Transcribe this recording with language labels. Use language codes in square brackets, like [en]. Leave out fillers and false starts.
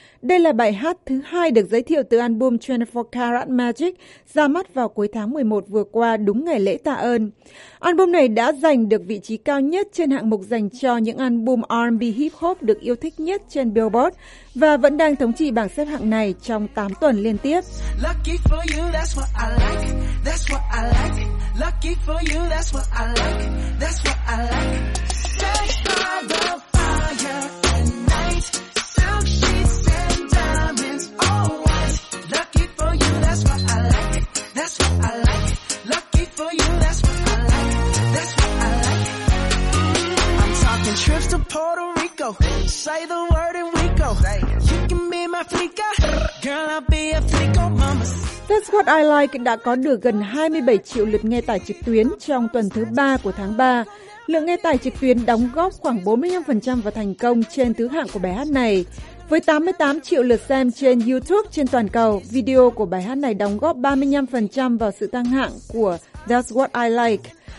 [vi] Đây là bài hát thứ hai được giới thiệu từ album 24 Karat Magic ra mắt vào cuối tháng 11 vừa qua đúng ngày lễ tạ ơn. Album này đã giành được vị trí cao nhất trên hạng mục dành cho những album R&B Hip Hop được yêu thích nhất trên Billboard và vẫn đang thống trị bảng xếp hạng này trong 8 tuần liên tiếp. [en] Lucky for you, that's what I like, that's what I like. Lucky for you, that's what I like, that's what I like. Sex by the fire at night, silk sheets and diamonds all white. Lucky for you, that's what I like, that's what I like. Lucky for you, that's what I like, that's what I like. I'm talking trips to Puerto Rico, say the word and we go. You can be my flica, girl, I'll be a flico mama. [vi] That's What I Like đã có được gần 27 triệu lượt nghe tải trực tuyến trong tuần thứ 3 của tháng 3. Lượng nghe tải trực tuyến đóng góp khoảng 45% vào thành công trên thứ hạng của bài hát này. Với 88 triệu lượt xem trên YouTube trên toàn cầu, video của bài hát này đóng góp 35% vào sự tăng hạng của That's What I Like.